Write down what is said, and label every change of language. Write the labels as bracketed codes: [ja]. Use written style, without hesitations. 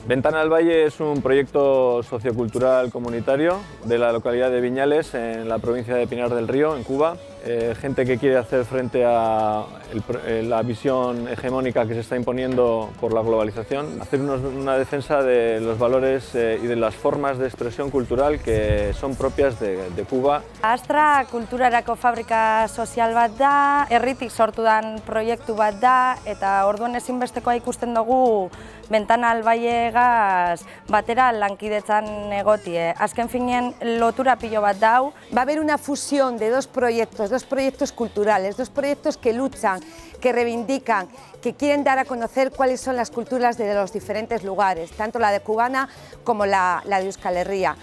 [es] Ventana al Valle es un proyecto sociocultural comunitario de la localidad de Viñales, en la provincia de Pinar del Río, en Cuba. Gente que quiere hacer frente a la visión hegemónica que se está imponiendo por la globalización, hacer una defensa de los valores y de las formas de expresión cultural que son propias de Cuba. [eu] Astra kulturarako fabrika sozial bat da, herritik sortu dan proiektu bat da, eta orduan ezinbestekoa ikusten dugu Ventana al Vallegas batera lankidetzan egotie. Azken finean lotura pillo bat dau. [es] Va a haber una fusión de dos proyectos culturales, dos proyectos que luchan, que reivindican, que quieren dar a conocer cuáles son las culturas de los diferentes lugares, tanto la de cubana como la de Euskal Herria.